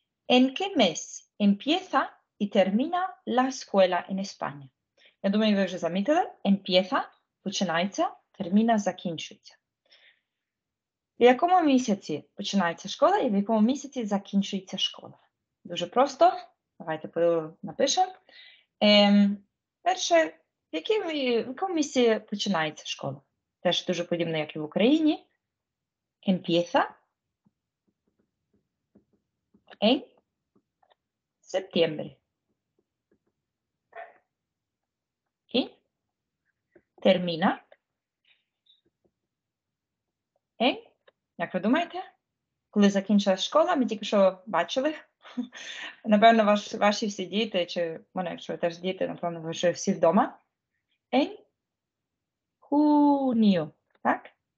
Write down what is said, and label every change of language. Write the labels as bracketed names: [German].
[Spanish] En qué mes empieza y termina la escuela en España? [Ukrainian] Я думаю, ви вже замітили. Empieza – починається, termina – закінчується. В якому місяці починається школа і в якому місяці закінчується школа? Дуже просто. Давайте напишемо. Перше, в якому місяці починається школа? Теж дуже подібно, як і в Україні. [Spanish] Empieza en septiembre. [Ukrainian] И [Spanish] termina en, [Ukrainian] як ви думаєте, коли закінчилася школа, ми тільки що бачили, напевно, ваші всі діти, чи мене, якщо ви теж діти, напевно, ви вже всі вдома. [Spanish] En junio, [Ukrainian] так?